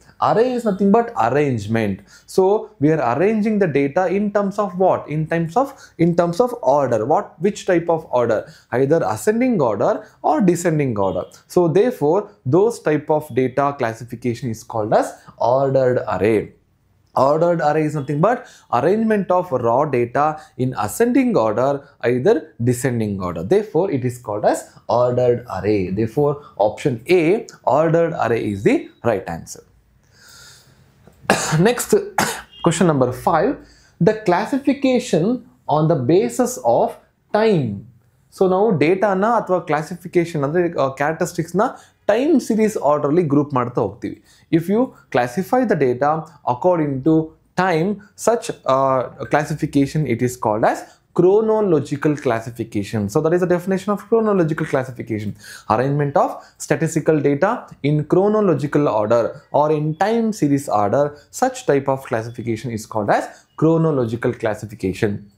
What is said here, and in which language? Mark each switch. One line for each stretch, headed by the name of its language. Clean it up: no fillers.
English: Array is nothing but arrangement. So we are arranging the data in terms of what, in terms of order. What which type of order? Either ascending order or descending order. So therefore those type of data classification is called as ordered array. Ordered array is nothing but arrangement of raw data in ascending order either descending order. Therefore, it is called as ordered array. Therefore, option A, ordered array, is the right answer. Next, question number 5. The classification on the basis of time. So, now
Kannada: data na athwa classification andre characteristics na time series orderly group ಮಾಡ್ತಾ ಹೋಗ್ತೀವಿ.
English: If you classify the data according to time, such classification it is called as chronological classification. So that is a definition of chronological classification. Arrangement of statistical data in chronological order or in time series order, such type of classification is called as chronological classification.